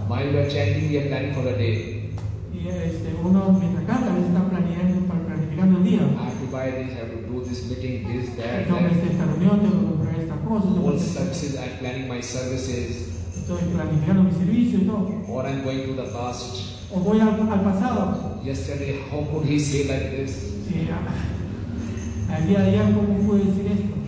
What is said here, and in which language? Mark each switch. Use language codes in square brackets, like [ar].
[en] While we are chanting, we are planning for the day. [es] Y uno mientras canta, a veces está planificando el día. [en] I have to buy this, I have to do this meeting, this, that. [es] Tengo que esta reunión, tengo que comprar esta cosa. [en] All services, I'm planning my services. [es] Estoy planificando mi servicio y todo. [en] Or I'm going to the past. [es] O voy al pasado. [en] Yesterday, how could he say like this? [es] Sí, el día de ayer, ¿cómo pude decir esto?